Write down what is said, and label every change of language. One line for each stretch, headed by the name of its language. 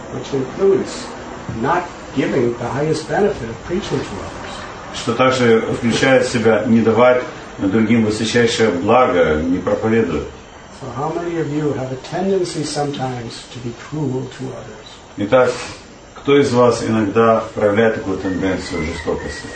English: Which includes not giving the highest benefit of preaching to others.
Russian: Что также включает в себя не давать другим высочайшее благо, не проповедовать.
English: So how many of you have a tendency sometimes to be cruel to others?
Russian: Итак, кто из вас иногда проявляет такую тенденцию жестокости?